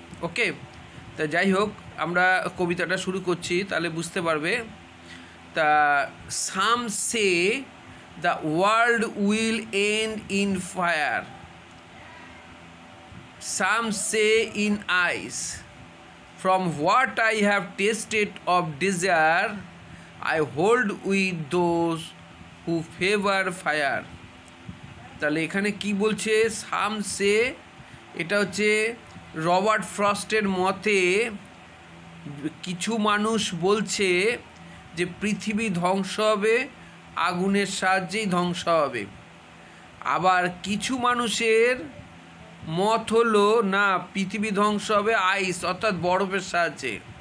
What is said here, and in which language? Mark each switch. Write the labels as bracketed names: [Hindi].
[Bangla] ওকে, তো যাই হোক, আমরা কবিতাটা শুরু করছি, তাহলে বুঝতে পারবে। [English] The some say the world will end in fire, some say in ice. From what I have tasted of desire, I hold with those who favor fire. [Bangla] তাহলে এখানে কি বলছে সামসে? এটা হচ্ছে রবার্ট ফ্রস্টের মতে কিছু মানুষ বলছে যে পৃথিবী ধ্বংস হবে, আগুনের সাহায্যেই ধ্বংস হবে। আবার কিছু মানুষের মত হলো না, পৃথিবী ধ্বংস হবে আইস, অর্থাৎ বরফের সাহায্যে।